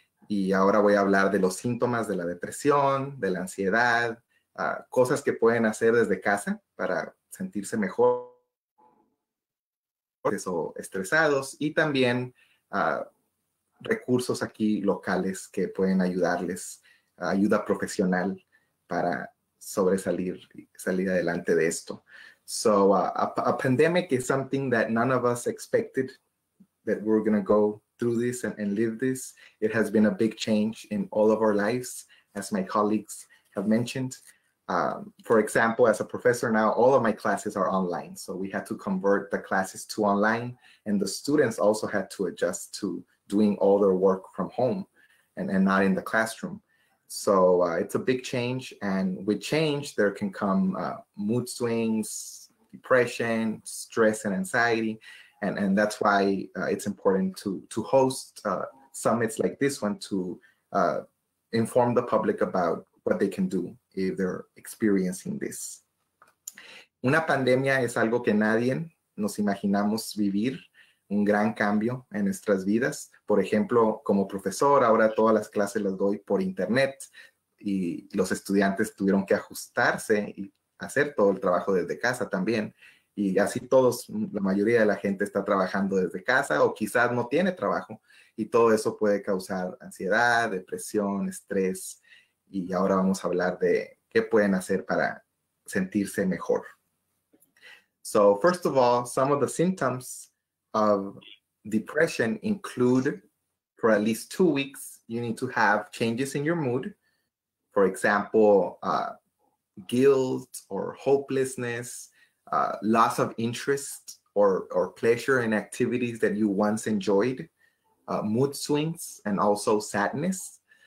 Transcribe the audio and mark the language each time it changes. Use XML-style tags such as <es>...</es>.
<es>Y ahora voy a hablar de los síntomas de la depresión, de la ansiedad, cosas que pueden hacer desde casa para sentirse mejor o estresados, y también recursos aquí locales que pueden ayudarles, ayuda profesional para sobresalir y salir adelante de esto.</es> <en>So a pandemic is something that none of us expected, that we're going to go through this and live this. It has been a big change in all of our lives, as my colleagues have mentioned. For example, as a professor now, all of my classes are online. So we had to convert the classes to online, and the students also had to adjust to doing all their work from home and not in the classroom. So it's a big change. And with change, there can come mood swings, depression, stress and anxiety. And that's why it's important to host summits like this one to inform the public about what they can do if they're experiencing this.</en> <es>Una pandemia es algo que nadie nos imaginamos vivir, un gran cambio en nuestras vidas. Por ejemplo, como profesor, ahora todas las clases las doy por internet y los estudiantes tuvieron que ajustarse y hacer todo el trabajo desde casa también. Y así todos, la mayoría de la gente está trabajando desde casa o quizás no tiene trabajo, y todo eso puede causar ansiedad, depresión, estrés. Y ahora vamos a hablar de qué pueden hacer para sentirse mejor.</es> <en>So first of all, some of the symptoms of depression include, for at least 2 weeks, you need to have changes in your mood. For example, guilt or hopelessness, loss of interest or pleasure in activities that you once enjoyed, mood swings, and also sadness.</en>